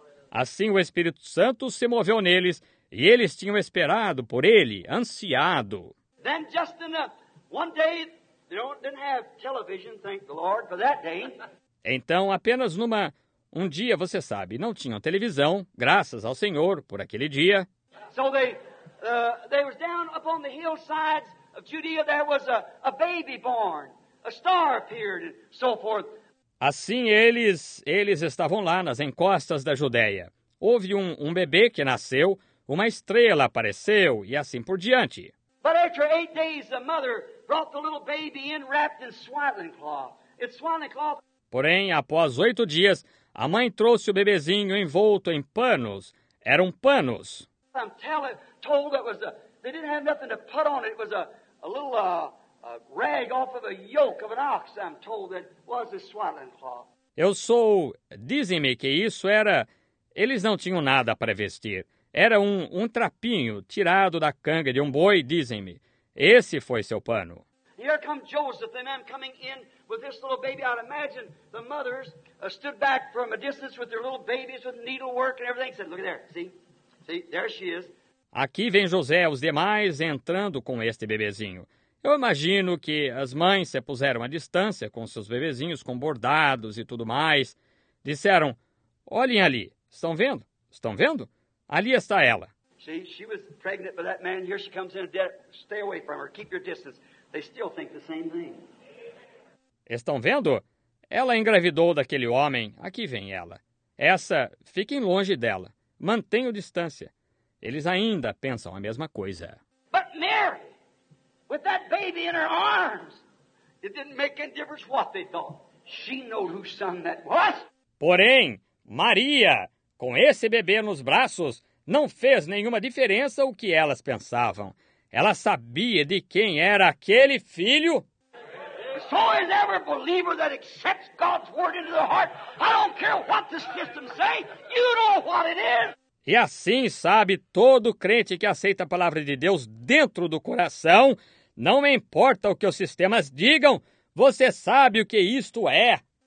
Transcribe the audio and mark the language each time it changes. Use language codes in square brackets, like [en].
[pt] Assim o Espírito Santo se moveu neles e eles tinham esperado por ele, ansiado. [en] Then just enough. One day they didn't have television, thank the Lord for that day. [pt] Então, apenas numa um dia, você sabe, não tinham televisão, graças ao Senhor por aquele dia. [en] So they was down upon the hillsides of Judea, there was a baby born. A star appeared and so forth. [pt] Assim eles estavam lá nas encostas da Judéia. Houve um bebê que nasceu, uma estrela apareceu e assim por diante. [en] But after 8 days, the mother brought the little baby in wrapped in swaddling cloth. It's swaddling cloth. [pt] Porém, após 8 dias, a mãe trouxe o bebezinho envolto em panos. Eram panos. [en] I'm telling, told it was a, they didn't have nothing to put on it. It was a little a rag off of a yoke of an ox. I'm told that was a swaddling cloth. [pt] Dizem-me que isso era. Eles não tinham nada para vestir. Era um trapinho tirado da canga de um boi, dizem-me. Esse foi seu pano. [en] Here come Joseph and I'm coming in with this little baby. I'd imagine the mothers stood back from a distance with their little babies with needlework and everything. Said, look at there, see? See, there she is. [pt] Aqui vem José, os demais entrando com este bebezinho. Eu imagino que as mães se puseram à distância com seus bebezinhos, com bordados e tudo mais. Disseram, olhem ali, estão vendo? Estão vendo? Ali está ela. [en] See, she was pregnant by that man. Here she comes in. Stay away from her. Keep your distance. They still think the same thing. [pt] Estão vendo? Ela engravidou daquele homem. Aqui vem ela. Essa, fiquem longe dela. Mantenham distância. Eles ainda pensam a mesma coisa. [en] But Mary, with that baby in her arms, it didn't make any difference what they thought. She knew whose son that was. [pt] Porém, Maria, com esse bebê nos braços, não fez nenhuma diferença o que elas pensavam. Ela sabia de quem era aquele filho. [en] So is every believer that accepts God's word into their heart. I don't care what the system say, you know what it is. [pt] E assim sabe todo crente que aceita a palavra de Deus dentro do coração. Não importa o que os sistemas digam, você sabe o que isto é.